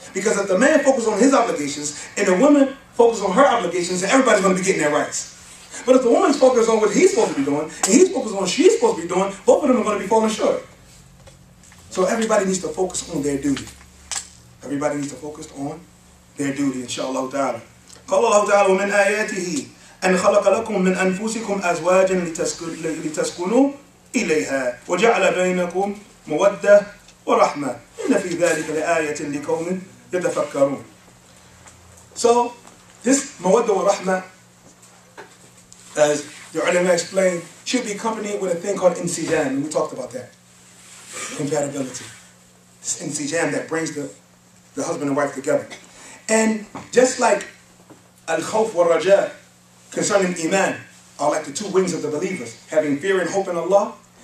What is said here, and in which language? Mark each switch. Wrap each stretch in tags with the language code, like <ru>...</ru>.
<en>Because if the man focuses on his obligations and the woman focuses on her obligations, then everybody's going to be getting their rights. But if the woman's focused on what he's supposed to be doing and he's focused on what she's supposed to be doing, both of them are going to be falling short. So everybody needs to focus on their duty. Everybody needs to focus on their duty, inshallah ta'ala.</en> <ar>قال الله تعالى ومن آياته أن خلق لكم من أنفسكم أزواجا لتسكنوا إليها وجعل بينكم مودة ورحمة إن في ذلك لآية لقوم يتفكرون.</ar> <en>So this</en> <ar>مودة ورحمة,</ar> <en>as the ulama explained, should be accompanied with a thing called انسجام. We talked about that. Compatibility. This انسجام that brings the husband and wife together. And just like Al-Khawf wa Raja concerning Iman are like the two wings of the believers, having fear and hope in Allah.</en>